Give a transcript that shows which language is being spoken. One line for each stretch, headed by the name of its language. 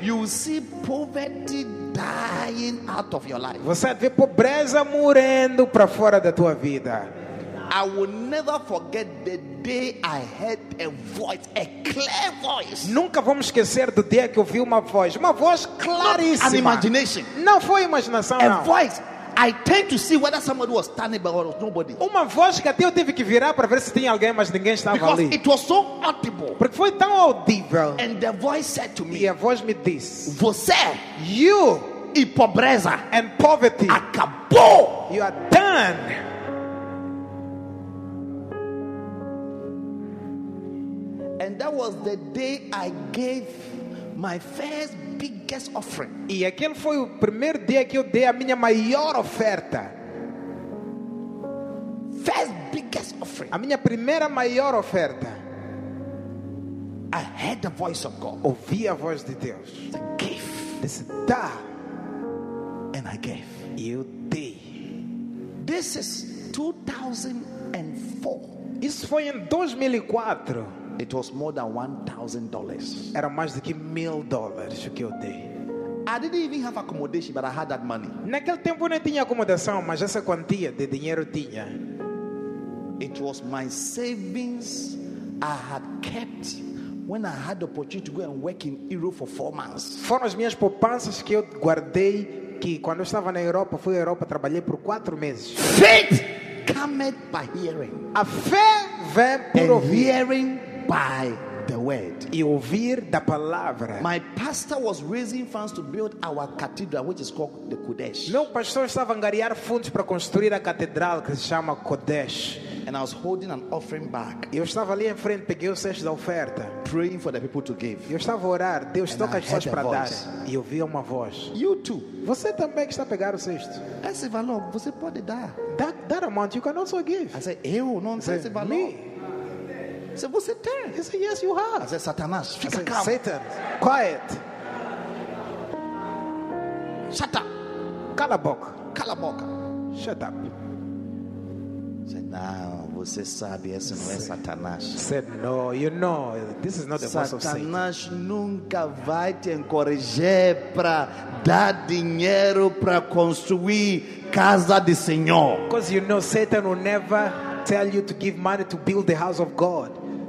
English: you will see poverty dying out of your life.
Portuguese: Você vê pobreza morrendo para fora da tua vida.
English: I will never forget the day I heard a voice, a clear voice.
Portuguese: Nunca vamos esquecer do dia que ouvi uma voz claríssima.
English: Not an imagination.
Portuguese: Não foi imaginação.
English: A
Portuguese: não.
English: Voice. I tend to see whether somebody was standing but there was nobody.
Portuguese: Uma voz que até eu tive que virar para ver se tinha alguém, mas ninguém estava
English: because
Portuguese: ali.
English: Because it was so audible.
Portuguese: Porque foi tão audível.
English: And the voice said to me.
Portuguese: E a voz me disse. Você,
English: you,
Portuguese: e pobreza,
English: and poverty,
Portuguese: acabou.
English: You are done. And that was the day I gave my first biggest offering.
Portuguese: E aquele foi o primeiro dia que eu dei a minha maior oferta.
English: First biggest offering.
Portuguese: A minha primeira maior oferta.
English: I heard the voice of God.
Portuguese: Ouvi a voz de Deus.
English: The gift.
Portuguese: Disse, dá.
English: And I gave.
Portuguese: E eu dei.
English: This is 2004.
Portuguese: Isso foi em 2004.
English: It was more than $1,000.
Portuguese: Era mais do que $1,000 que eu dei.
English: I didn't even have accommodation, but I had that money.
Portuguese: Naquele tempo não tinha acomodação, mas essa quantia de dinheiro tinha.
English: It was my savings I had kept when I had the opportunity to go and work in Europe for 4 months.
Portuguese: Foram as minhas poupanças que eu guardei, que quando eu estava na Europa, fui à Europa, trabalhei por 4 meses.
English: Faith cometh by hearing.
Portuguese: A fé vem por ouvir.
English: Hearing by the word.
Portuguese: E ouvir da palavra.
English: My pastor was raising funds to build our cathedral, which is called the Kodesh.
Portuguese: Meu pastor estava a angariar fundos para construir a catedral que se chama Kodesh.
English: And I was holding an offering back.
Portuguese: Eu estava ali em frente, peguei o cesto da oferta.
English: Praying for the people to give.
Portuguese: Eu estava a orar, Deus toca as pessoas para dar. E ouvi uma voz.
English: You too.
Portuguese: Você também que está a pegar o cesto.
English: I said,
Portuguese: Valor, você pode dar.
English: That amount you can also give. I said,
Portuguese: eu não sei se Valor. I said, você tem?
English: He said, yes, you have. I said,
Portuguese: Satanás, fica calmo.
English: Satan, quiet. Shut up.
Portuguese: Cala a boca. Cala a boca.
English: Shut up. I said,
Portuguese: não, você sabe, esse não é Satanás.
English: I said, no, you know, this is not the
Portuguese: Satanás
English: voice of Satan.
Portuguese: Satanás nunca vai te encorajar para dar dinheiro para construir casa de Senhor.
English: Because you know, Satan will never tell you to give money to build the house of God.